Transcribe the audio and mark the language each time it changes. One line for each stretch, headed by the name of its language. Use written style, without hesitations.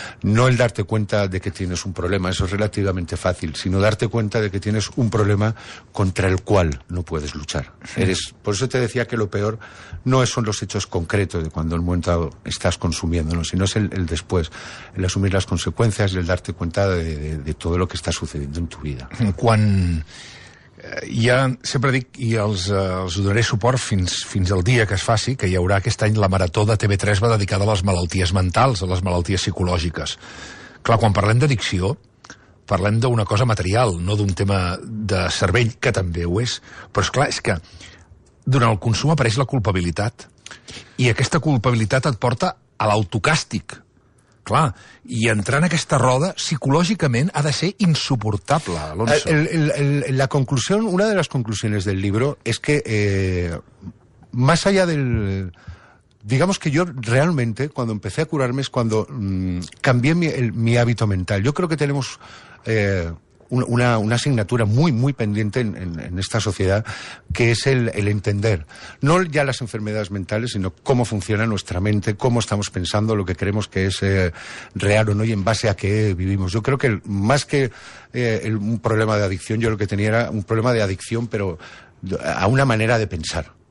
Spanish: No el darte cuenta de que tienes un problema, eso es relativamente fácil, sino darte cuenta de que tienes un problema contra el cual no puedes luchar. Sí. Por eso te decía que lo peor no son los hechos concretos de cuando en un momento estás consumiendo, ¿no?, sino es el después, el asumir las consecuencias y el darte cuenta de todo lo que está sucediendo en tu vida.
Catalan: Quan... Ja sempre dic, i els donaré suport fins al dia que es faci, que hi haurà aquest any la marató de TV3 va dedicada a les malalties mentals, a les malalties psicològiques. Clar, quan parlem d'addicció, parlem d'una cosa material, no d'un tema de cervell, que també ho és. Però esclar, és que durant el consum apareix la culpabilitat, i aquesta culpabilitat et porta a l'autocàstig. Clar, i entrar en aquesta roda psicològicament ha de ser insuportable, Alonso. La conclusió, una de les conclusions del llibre és que, més allà del...
Spanish: Digamos que yo realmente, cuando empecé a curarme, es cuando cambié mi hábito mental. Yo creo que tenemos una asignatura muy, muy pendiente en esta sociedad, que es el entender, no ya las enfermedades mentales, sino cómo funciona nuestra mente, cómo estamos pensando, lo que creemos que es real o no, y en base a qué vivimos. Yo creo que más que un problema de adicción, yo lo que tenía era un problema de adicción, pero a una manera de pensar.